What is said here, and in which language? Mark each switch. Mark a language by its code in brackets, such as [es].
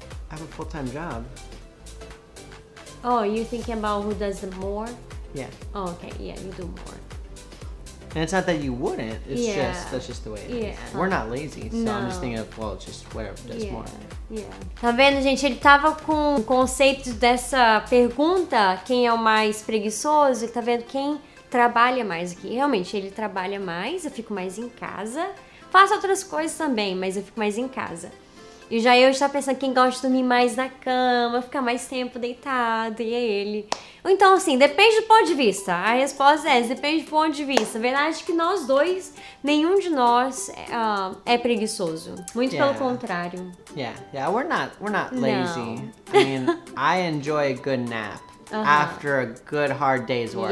[en] I have a full-time job. Oh, you're thinking about who does the more? Yeah. Oh, okay, yeah, you do more. And it's not that you wouldn't, it's just, that's just the way it is. We're not lazy, so I'm just thinking of, well, it's just whatever does more. [pt] Yeah. Tá vendo, gente? Ele tava com o conceito dessa pergunta, quem é o mais preguiçoso, e tá vendo quem trabalha mais aqui. Realmente, ele trabalha mais, eu fico mais em casa. Faço outras coisas também, mas eu fico mais em casa. E já eu estava pensando quem gosta de dormir mais na cama, ficar mais tempo deitado, e é ele. Então, assim, depende do ponto de vista. A resposta é, depende do ponto de vista. A verdade é que nós dois, nenhum de nós é preguiçoso. Muito pelo contrário. [en] Yeah, we're not lazy. No. I mean, I enjoy a good nap after a good hard day's work.